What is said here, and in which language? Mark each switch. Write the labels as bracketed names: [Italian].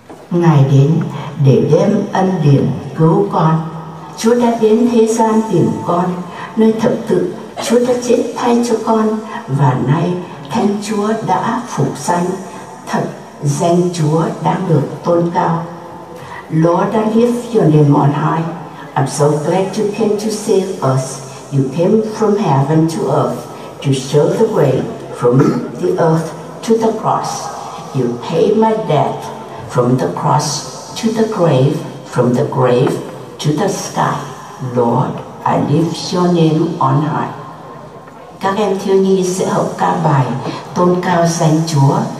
[Vietnamese] Ngài đến để đem ân điển cứu con. Chúa đã đến thế gian tìm con. Nơi thập tự, Chúa đã chết thay cho con. Và nay, Thánh Chúa đã phục sanh. Thật, danh Chúa đang được tôn cao. [English] Lord, I lift your name on high. I'm so glad you came to save us. You came from heaven to earth to show the way from the earth to the cross. You paid my debt from the cross to the grave, from the grave to the sky. Lord, I lift your name on high. [Vietnamese] Các em thiếu nhi sẽ học ca bài tôn cao danh Chúa.